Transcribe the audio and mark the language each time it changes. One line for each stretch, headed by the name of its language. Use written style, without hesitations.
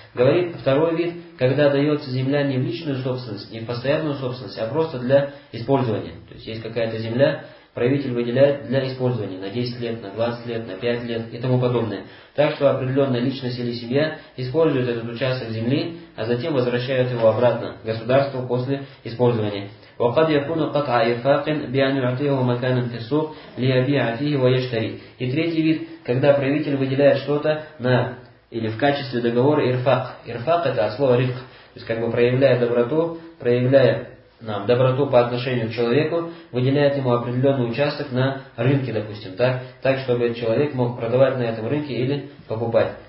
Russian: Говорит, второй вид, когда дается земля не в личную собственность, не в постоянную собственность, а просто для использования. То есть есть какая-то земля, правитель выделяет для использования на 10 лет, на 20 лет, на 5 лет и тому подобное. Так что определенная личность или семья использует этот участок земли, а затем возвращают его обратно государству после использования.
Arabic: وقد يكون قطع إرفاق بأن يعطيه مكانا في السوق ليبيع فيه ويشتري.
Russian: И третий вид, когда правитель выделяет что-то на или в качестве договора ирфак. Ирфак это от слова рифк, то есть как бы проявляя доброту по отношению к человеку, выделяет ему определенный участок на рынке, допустим, так, чтобы человек мог продавать на этом рынке или покупать.